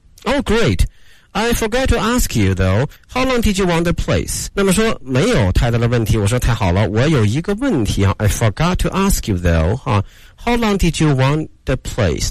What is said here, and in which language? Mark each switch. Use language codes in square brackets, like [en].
[en] Oh great，I forgot to ask you though, how long did you want the place? [zh] 那么说没有太大的问题，我说太好了，我有一个问题啊。 [en] I forgot to ask you though, how long did you want the place?